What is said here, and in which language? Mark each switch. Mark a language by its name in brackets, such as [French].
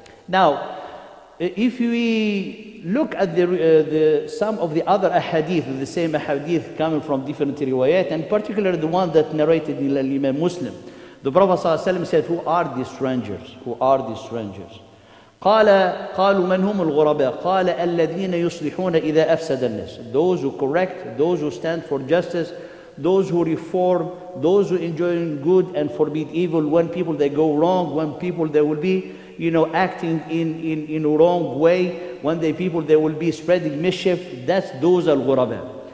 [English] Now, if we look at the some of the other ahadith, the same ahadith coming from different riwayat, and particularly the one that narrated in Al-Imam Muslim, the Prophet ﷺ said, who are these strangers? Who are these strangers? [Arabic] قالوا من هم الغرباء؟ قال الذين يصلحون إذا أفسد الناس. [English] Those who correct, those who stand for justice, those who reform, those who enjoy good and forbid evil. When people they go wrong, when people they will be, you know, acting in a wrong way, when the people they will be spreading mischief, that's those الغرباء.